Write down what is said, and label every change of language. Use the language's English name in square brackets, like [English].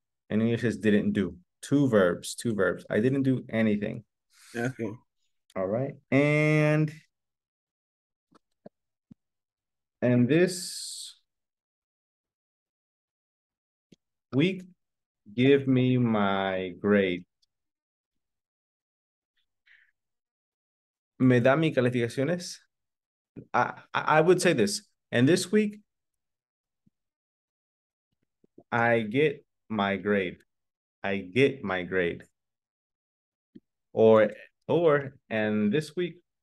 [English] In English, it's didn't do. Two verbs. I didn't do anything. Okay. All right. And this week, give me my grade. [Spanish] Me da mi calificaciones. [English] I would say this. And this week, I get my grade. I get my grade. Or, and this week,